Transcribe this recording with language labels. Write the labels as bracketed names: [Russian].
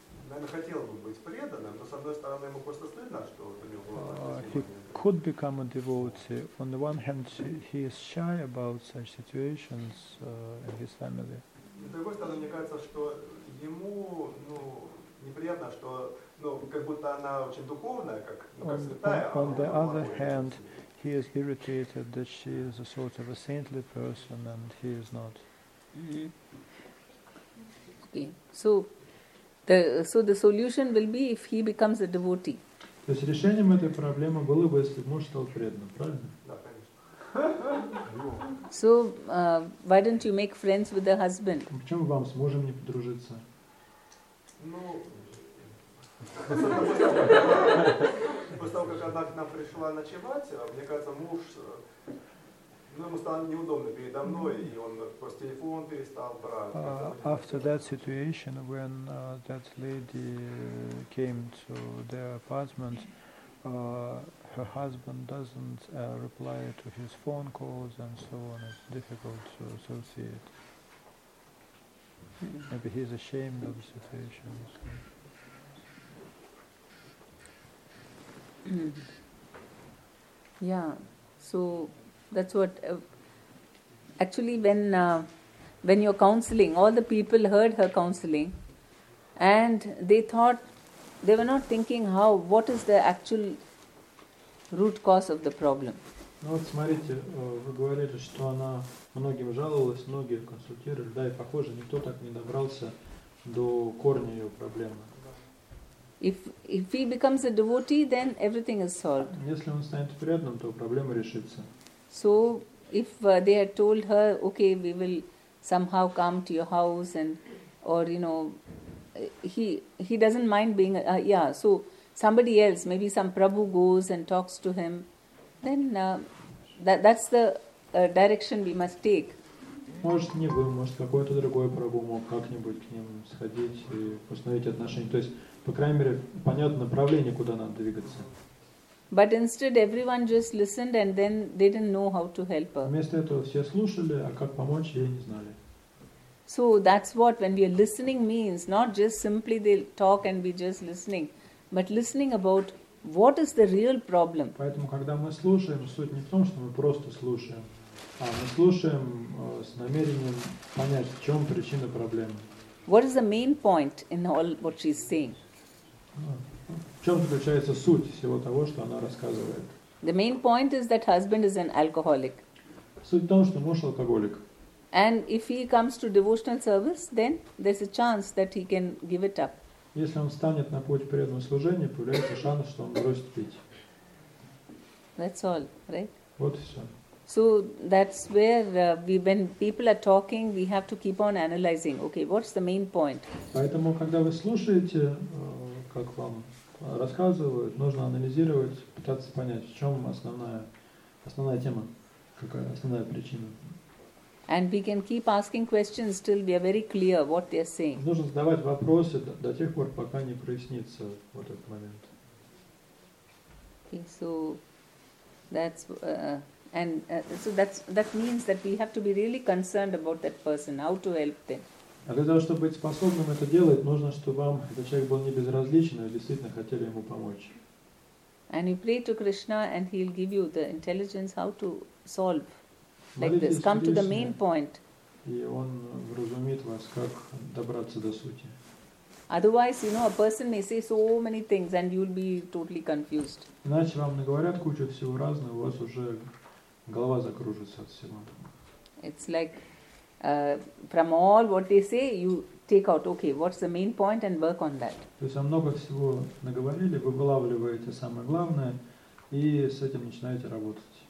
[Russian] Наверное, хотел бы быть преданным, но с одной стороны ему просто стыдно, что вот у него было. [English] He could become a devotee. On the one hand, he is shy about such situations in his family. [Russian] С другой стороны, мне кажется, что ему, ну, неприятно, что, ну, как будто она очень духовная, как, ну, как святая. [English] On the other hand, he is irritated that she is a sort of a saintly person and he is not. Okay, so. So the solution will be if he becomes a devotee. [Russian] То есть решением этой проблемы было бы, если муж стал преданным, правильно? Да, конечно. [English] So, why don't you make friends with the husband? [Russian] Почему вам с мужем не подружиться? Ну, после того, как она к нам пришла ночевать, мне кажется, муж, ну, ему стало неудобно передо мной, и он просто телефон перестал брать. [English] After that situation, when that lady came to their apartment, her husband doesn't reply to his phone calls and so on. It's difficult to associate. Maybe he's ashamed of the situation. Yeah, so... That's what actually when you're counseling, all the people heard her counseling and they thought, they were not thinking how, what is the actual root cause of the problem. [Russian] Ну вот смотрите, вы говорили, что она многим жаловалась, многие консультировали, да, и похоже, никто так не добрался до корня ее проблемы. [English] If he becomes a devotee, then everything is solved. [Russian] Если он станет преданным, то проблема решится. [English] So, if they had told her, okay, we will somehow come to your house and, or, you know, he doesn't mind being, so somebody else, maybe some Prabhu goes and talks to him, then that's the direction we must take. [Russian] Может, не вы, может, какой-то другой Прабху мог как-нибудь к ним сходить и установить отношения. То есть, по крайней мере, понятно направление, куда надо двигаться. [English] But instead, everyone just listened and then they didn't know how to help her. [Russian] Вместо этого все слушали, а как помочь, ей не знали. [English] So that's what when we are listening means, not just simply they talk and we just listening, but listening about what is the real problem. [Russian] Поэтому, когда мы слушаем, суть не в том, что мы просто слушаем, а мы слушаем с намерением понять, в чем причина проблемы. [English] What is the main point in all what she's saying? [Russian] В чем заключается суть всего того, что она рассказывает? [English] The main point is that husband is an alcoholic. [Russian] Суть в том, что муж алкоголик. [English] And if he comes to devotional service, then there's a chance that he can give it up. [Russian] Если он встанет на путь преданного служения, появляется шанс, что он бросит пить. [English] That's all, right? [Russian] Вот и все. [English] So that's where we, when people are talking, we have to keep on analyzing. Okay, what's the main point? [Russian] Поэтому, когда вы слушаете, как вам рассказывают, нужно анализировать, пытаться понять, в чем основная тема, какая основная причина. [English] And we can keep asking questions till we are very clear what they are saying. [Russian] Нужно задавать вопросы до тех пор, пока не прояснится вот этот момент. [English] Okay, so that's that means that we have to be really concerned about that person, how to help them. [Russian] А для того, чтобы быть способным это делать, нужно, чтобы вам этот человек был не безразличен, а действительно хотели ему помочь. [English] And you pray to Krishna, and he'll give you the intelligence how to solve. Like this, come to the main point. [Russian] И он вразумит вас, как добраться до сути. [English] Otherwise, you know, a person may say so many things, and you'll be totally confused. [Russian] Иначе вам наговорят кучу всего разного, у вас уже голова закружится от всего. [English] It's like from all what they say, you take out, okay, what's the main point, and work on that. [Russian] То есть, много всего наговорили, вы вылавливаете самое главное, и с этим начинаете работать.